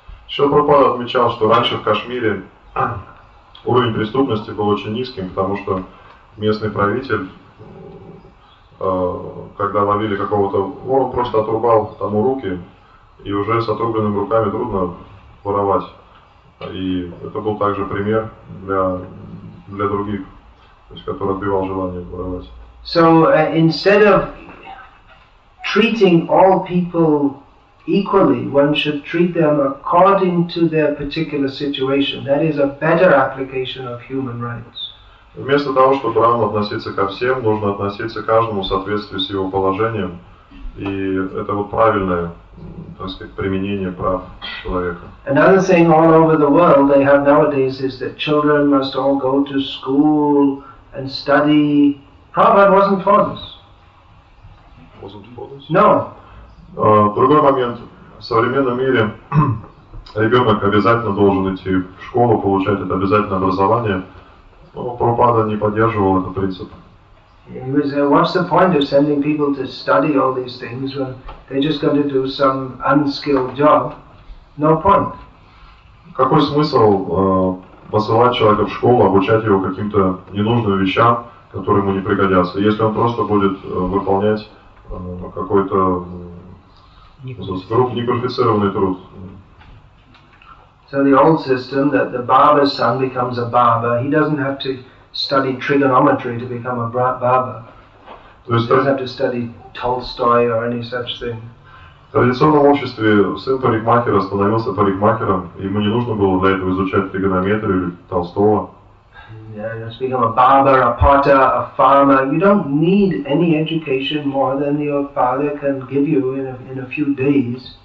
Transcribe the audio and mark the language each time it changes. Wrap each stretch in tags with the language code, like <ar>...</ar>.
<ru>Srila Prabhupada отмечал, что раньше в Кашмире уровень преступности был очень низким, потому что местный правитель, когда ловили какого-то вора, просто отрубал тому руки, и уже с отрубленными руками трудно воровать. И это был также пример для других, то есть, который отбивал желание воровать.</ru> <en>So instead of treating all people equally, one should treat them according to their particular situation. That is a better application of human rights.</en> <ru>Вместо того, чтобы правильно относиться ко всем, нужно относиться к каждому в соответствии с его положением. И это вот правильное, так сказать, применение прав человека.</ru> <en>Another thing all over the world they have nowadays is that children must all go to school and study. Prabhupada wasn't for this. Wasn't for this? No.</en> <ru>Другой момент. В современном мире ребенок обязательно должен идти в школу, получать это обязательное образование. Но Прабхупада не поддерживал этот принцип.</ru> <en>What's the point of sending people to study all these things when they're just going to do some unskilled job? No point.</en> <ru>Какой смысл посылать человека в школу, обучать его каким-то ненужным вещам, которые ему не пригодятся, если он просто будет выполнять какой-то неквалифицированный труд?</ru> <en>So the old system that the barber's son becomes a barber, he doesn't have to study trigonometry to become a barber. He doesn't have to study Tolstoy or any such thing.</en> <ru>В традиционном обществе сын парикмахера становился парикмахером, ему не нужно было для этого изучать тригонометрию или Толстого.</ru> <en>Yeah, you just become a barber, a potter, a farmer. You don't need any education more than your father can give you in a few days.</en>